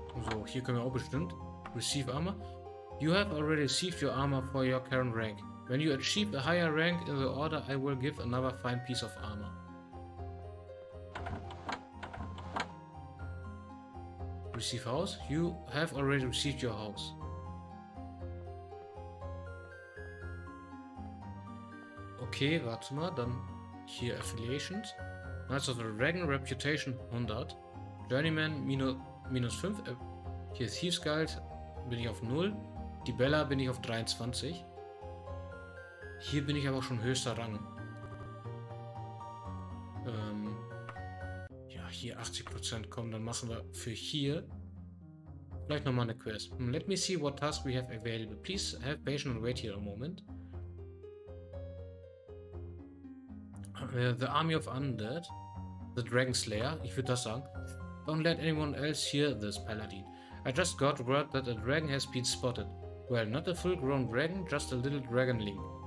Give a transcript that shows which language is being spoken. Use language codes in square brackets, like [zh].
[de] So, hier können wir auch bestimmt. [en] Receive armor. You have already received your armor for your current rank. When you achieve a higher rank in the order, I will give another fine piece of armor. Receive house? You have already received your house. [de] Okay, warte mal, dann hier Affiliations. Knights of the Dragon, Reputation 100. Journeyman minus 5. Hier Thieves Guild bin ich auf 0. Die Bella bin ich auf 23. Hier bin ich aber schon höchster Rang. Ja, hier 80%. Komm, dann machen wir für hier vielleicht nochmal eine Quest. [en] Let me see what tasks we have available. Please have patience and wait here a moment. [de] The Army of Undead. The Dragon Slayer. Ich würde das sagen. [en] Don't let anyone else hear this, Paladin. I just got word that a dragon has been spotted. Well, not a full-grown dragon, just a little dragonling.